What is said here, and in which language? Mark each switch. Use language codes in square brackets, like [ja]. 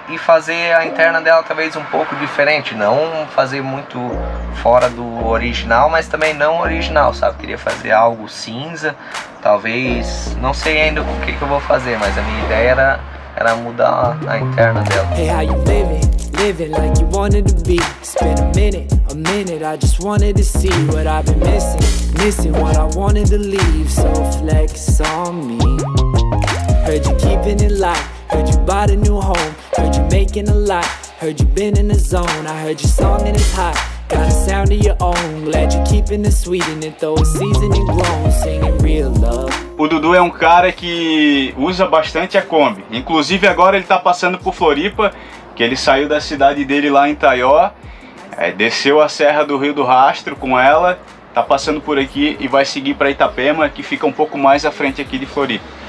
[pt] E fazer a interna dela talvez um pouco diferente. Não fazer muito fora do original, mas também não original, sabe? Queria fazer algo cinza, talvez. Não sei ainda o que eu vou fazer, mas a minha ideia era mudar a interna dela. [en] Hey, how you living? Living like you wanted to be. Spend a minute, I just wanted to see what I've been missing. Missing what I wanted to leave. So flex on me. Heard you keeping it light. Heard you bought a new home. Heard you making a lot. Heard you been in the zone. I heard your song and it's hot. Got a sound of your own. Glad you're keeping it sweet in it though. Seasoning grown, singing real love. [pt] O Dudu é um cara que usa bastante a Kombi. Inclusive agora ele tá passando por Floripa, que ele saiu da cidade dele lá em Taió, desceu a serra do Rio do Rastro com ela, tá passando por aqui e vai seguir para Itapema, que fica um pouco mais à frente aqui de Floripa.